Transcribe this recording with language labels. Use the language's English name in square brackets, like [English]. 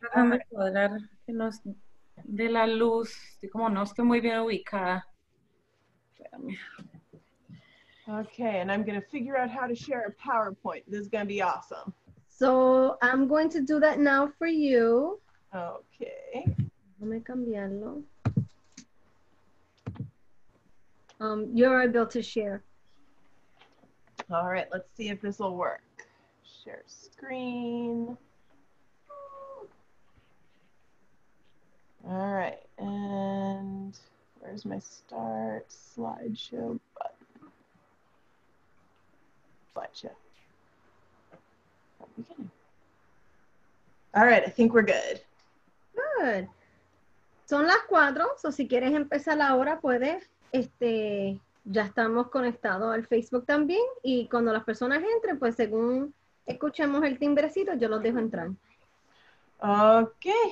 [Spanish] Déjame cuadrar que nos dé la luz. Estoy como no estoy muy bien ubicada. Espérame. [English] Okay, and I'm going to figure out how to share a PowerPoint. This is going to be awesome. So I'm going to do that now for you. Okay. [Spanish] Déjame cambiarlo. [English] You're able to share. All right, let's see if this will work. Share screen. All right, and where's my start slideshow button? Gotcha. All right, I think we're good. Good. [Spanish] Son las cuatro, so si quieres empezar ahora, puedes. Ya estamos conectados al Facebook también, y cuando las personas entren, pues según escuchemos el timbrecito, yo los dejo entrar. [English] Ok.